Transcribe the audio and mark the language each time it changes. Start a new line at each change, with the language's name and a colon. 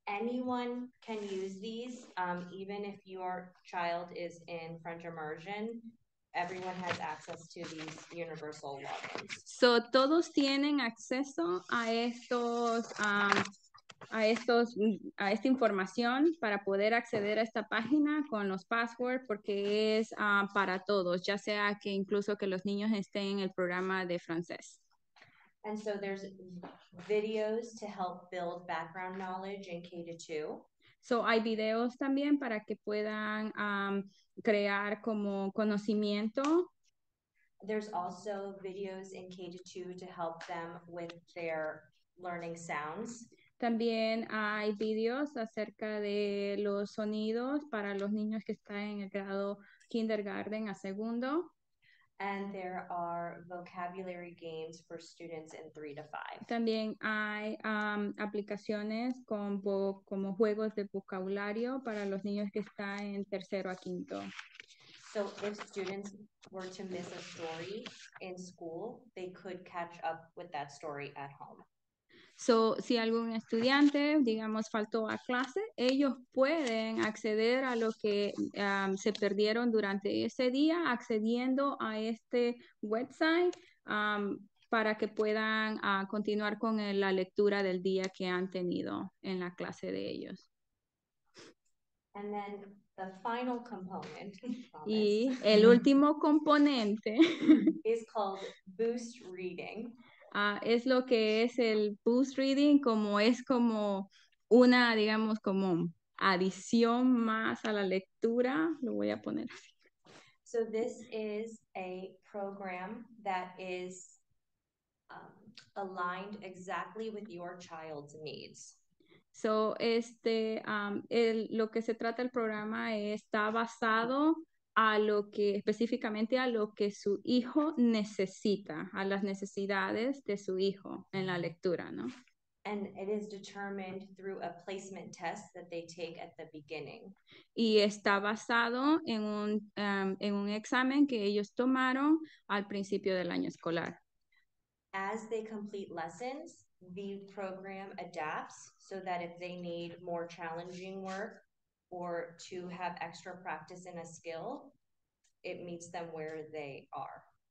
English: Anyone can use these, even if your child is in French immersion. Everyone has access to these universal logins.
Spanish: So todos tienen acceso a estos, a esta información para poder acceder a esta página con los passwords, porque es para todos, ya sea que incluso que los niños estén en el programa de francés.
English: And so there's videos to help build background knowledge in K-2.
Spanish: So hay videos también para que puedan crear como conocimiento.
English: There's also videos in K-2 to help them with their learning sounds.
Spanish: También hay videos acerca de los sonidos para los niños que están en el grado kindergarten a segundo.
English: And there are vocabulary games for students in 3 to 5.
Spanish: También hay aplicaciones con como juegos de vocabulario para los niños que están en tercero a quinto.
English: So if students were to miss a story in school, they could catch up with that story at home.
Spanish: So, si algún estudiante, digamos, faltó a clase, ellos pueden acceder a lo que se perdieron durante ese día accediendo a este website para que puedan continuar con la lectura del día que han tenido en la clase de ellos.
English: And then the final component,
Spanish: y el último componente
English: is called boost reading.
Spanish: Es lo que es el boost reading, como es como una, digamos, como adición más a la lectura. Lo voy a poner así.
English: So this is a program that is aligned exactly with your child's needs.
Spanish: So este, lo que se trata el programa está basado a lo que específicamente a lo que su hijo necesita, a las necesidades de su hijo en la lectura, ¿no?
English: And it is determined through a placement test that they take at the beginning.
Spanish: Y está basado en un examen que ellos tomaron al principio del año escolar.
English: As they complete lessons, the program adapts so that if they need more challenging work or to have extra practice in a skill, it meets them where they are.